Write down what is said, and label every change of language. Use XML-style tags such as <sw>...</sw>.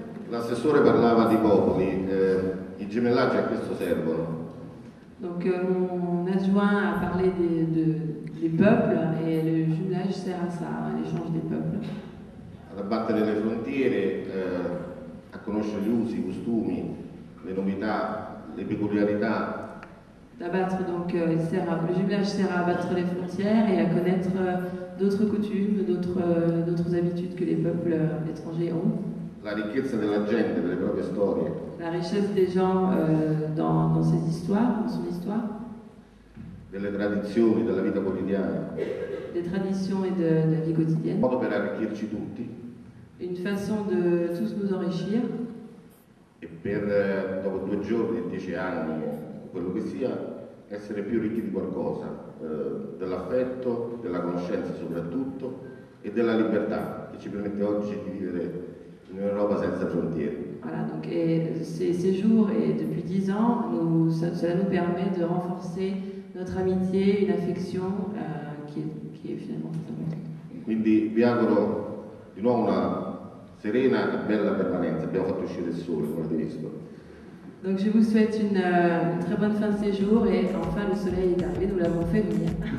<it>L'assessore parlava di popoli, i gemellaggi a questo servono.</it> <fr>Donc mon adjoint a parlé des peuples et le jumelage sert à ça, l'échange des peuples.</fr> <it>Ad abbattere le frontiere, a conoscere gli usi, i costumi, le novità, le peculiarità.</it> <fr>D'abattre donc le jumelage sert à abattre les frontières et à connaître d'autres coutumes, d'autres habitudes que les peuples étrangers ont.</fr> <it>La ricchezza della gente, delle proprie storie.</it> <fr>La richesse des gens dans ses histoires, dans son histoire.</fr> <it>Delle tradizioni, della vita quotidiana.</it> <fr>Des traditions et de la vie quotidienne.</fr> <it>Un modo per arricchirci tutti.</it> <fr>Une façon de tous nous enrichir.</fr> <it>E per, dopo due giorni, dieci anni, quello che sia, essere più ricchi di qualcosa, dell'affetto, della conoscenza soprattutto, e della libertà che ci permette oggi di vivere in Europa senza frontiere.</it> <fr>Voilà, donc ces séjours et depuis 10 ans, cela nous permet de renforcer notre amitié, une affection qui est finalement fondamentale.</fr> <it>Quindi vi auguro di nuovo una serena e bella permanenza. Abbiamo fatto uscire il sole, come avete visto.</it> <fr>Donc je vous souhaite une très bonne fin de séjour et enfin le soleil est arrivé, nous l'avons fait venir.</fr>